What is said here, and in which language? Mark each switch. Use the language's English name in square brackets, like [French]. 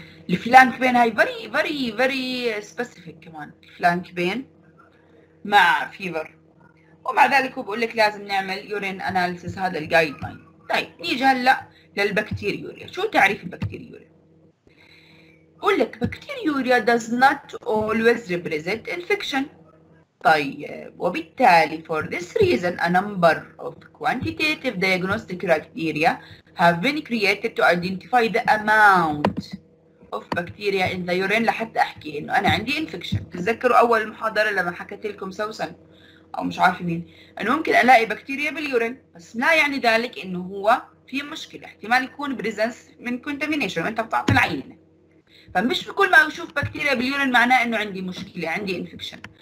[Arabic] الفلانك بين هاي فري فري فري سبيسيفيك، كمان الفلانك بين مع فيفر، ومع ذلك هو بقول لك لازم نعمل يورين اناليسيس، هذا الجايد لاين. طيب نيجي هلا للبكتيريوريا، شو تعريف البكتيريوريا؟ بقول لك بكتيريوريا [English] does not always represent infection. [Arabic] طيب وبالتالي [English] for this reason a number of quantitative diagnostic criteria have been created to identify the amount of bacteria in the urine. [Arabic] لحتى احكي انه انا عندي infection، تذكروا اول محاضرة لما حكيت لكم سوسن او مش عارفة مين، انه ممكن الاقي بكتيريا باليورين، بس لا يعني ذلك انه هو في مشكلة، احتمال يكون presence من contamination وانت بتعطي العينة. فمش بكل ما اشوف بكتيريا باليورين معناه انه عندي مشكلة، عندي infection.